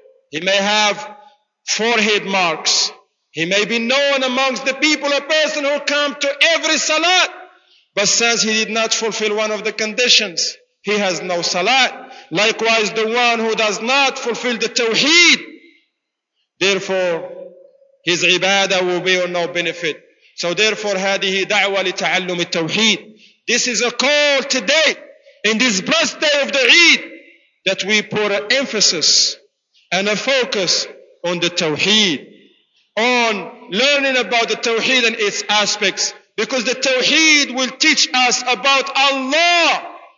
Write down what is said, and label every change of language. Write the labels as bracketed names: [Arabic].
[English] He may have forehead marks. He may be known amongst the people, a person who comes to every salat, but since he did not fulfill one of the conditions, he has no salat. Likewise, the one who does not fulfill the tawheed, therefore, his ibadah will be of no benefit. So therefore, [Arabic] هذه دعوة لتعلم التوحيد. [English] This is a call today, in this blessed day of the Eid, that we put an emphasis and a focus on the tawheed, on learning about the tawheed and its aspects. Because the tawheed will teach us about Allah.